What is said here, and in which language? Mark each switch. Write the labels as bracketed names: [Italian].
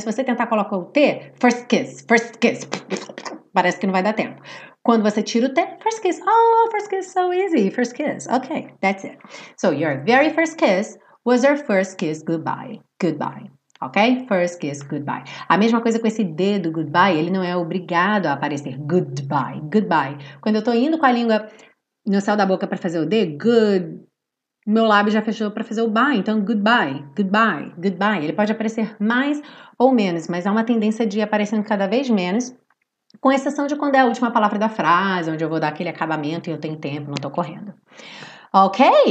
[Portuguese] Se você tentar colocar o T, first kiss. Parece que não vai dar tempo. Quando você tira o T, first kiss. [English] Oh, first kiss, so easy. First kiss. Okay, that's it. So, your very first kiss was your first kiss goodbye. Ok? First kiss, goodbye. [Portuguese] A mesma coisa com esse D do goodbye, ele não é obrigado a aparecer. Goodbye. Quando eu tô indo com a língua no céu da boca pra fazer o D, good... Meu lábio já fechou para fazer o bye, então goodbye, goodbye, goodbye. Ele pode aparecer mais ou menos, mas há uma tendência de ir aparecendo cada vez menos, com exceção de quando é a última palavra da frase, onde eu vou dar aquele acabamento e eu tenho tempo, não estou correndo. Ok?